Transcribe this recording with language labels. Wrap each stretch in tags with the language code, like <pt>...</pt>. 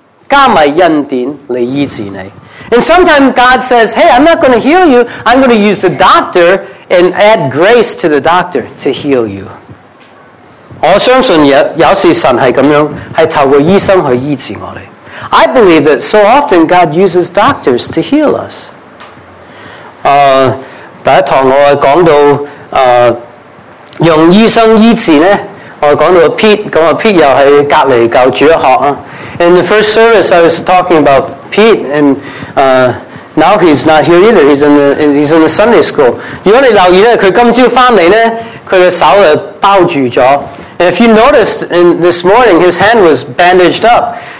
<en>And sometimes God says, hey, I'm not going to heal you. I'm going to use the doctor and add grace to the doctor to heal you.</en> <zh>我相信有时神是这样,是透过医生去医治我们。</zh> <en>I believe that so often God uses doctors to heal us.</en> <zh>第一堂我讲到用医生医治呢,我讲到Pete,Pete又是隔离教主学。</zh> <en>In the first service I was talking about Pete and now he's not here either, he's in the Sunday school.</en> <zh>如果你留意呢,他今早回来呢,他的手包住了。</zh> <en>And if you noticed, in this morning, his hand was bandaged up.</en>